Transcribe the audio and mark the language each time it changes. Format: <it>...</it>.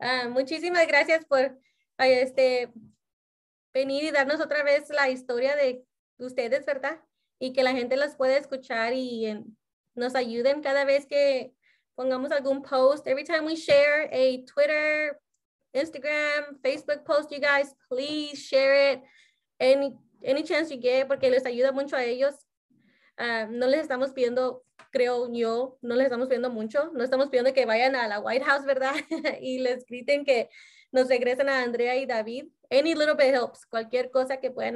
<es>muchísimas gracias por venir y darnos otra vez la historia de ustedes, ¿verdad? Y que la gente los pueda escuchar y nos ayuden cada vez que pongamos algún post.</es> <en>Every time we share a Twitter, Instagram, Facebook post, you guys, please share it. Any chance you get,</en> <es>porque les ayuda mucho a ellos. No les estamos pidiendo, creo yo, no les estamos pidiendo mucho. No estamos pidiendo que vayan a la White House, ¿verdad? Y les griten que nos egresan a Andrea y David.</es> <en>Any little bit helps,</en> <es>cualquier cosa que puedan</es>